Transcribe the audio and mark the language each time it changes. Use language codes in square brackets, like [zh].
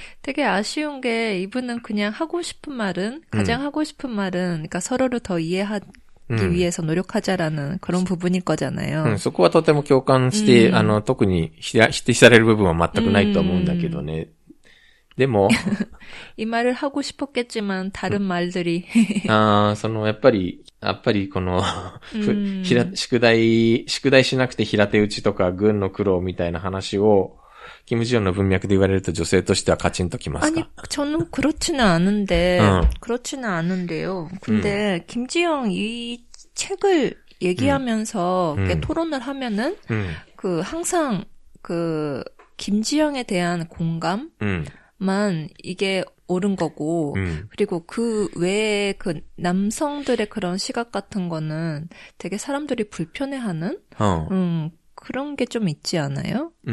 [ko] 되게아쉬운게이분은그냥하고싶은말은가장하고싶은말은그러니까서로를더이해하기위해서노력하자라는그런부분일거잖아요。 [ja] うん、そこはとても共感して、あの、特に否定される部分は全くないと思うんだけどね。でも、 [ko] 이말을하고싶었겠지만다른말들이 [ja] 아そのやっぱりこの宿題しなくて平手打ちとか軍の苦労みたいな話をキムジヨンの文脈で言われると女性としてはカチンときますか？ [ko] 아니저는그렇지는않은데 그렇지는않은데요근데김지영이책을얘기하면서토론을하면은그항상그김지영에대한공감만이게옳은거고그리고그외에그남성들의그런시각같은거는되게사람들이불편해하는그런게좀있지않아요